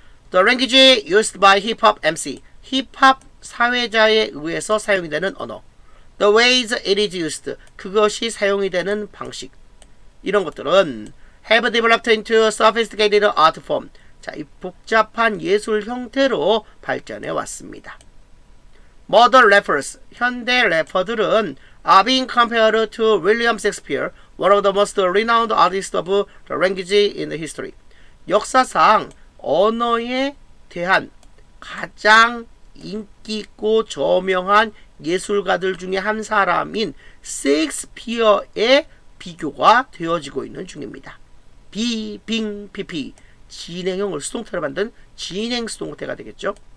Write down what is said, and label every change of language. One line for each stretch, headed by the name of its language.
English: The language used by hip-hop MC,
Korean: 힙합 사회자에 의해서 사용되는 언어.
English: The ways it is used,
Korean: 그것이 사용이 되는 방식. 이런 것들은
English: have developed into a sophisticated art form.
Korean: 자, 이 복잡한 예술 형태로 발전해 왔습니다.
English: Modern rappers,
Korean: 현대 래퍼들은
English: are being compared to William Shakespeare, one of the most renowned artists of the language in the history.
Korean: 역사상 언어에 대한 가장 인기 있고 저명한 예술가들 중에 한 사람인 셰익스피어의 비교가 되어지고 있는 중입니다. 비빙 피피 진행형을 수동태로 만든 진행 수동태가 되겠죠.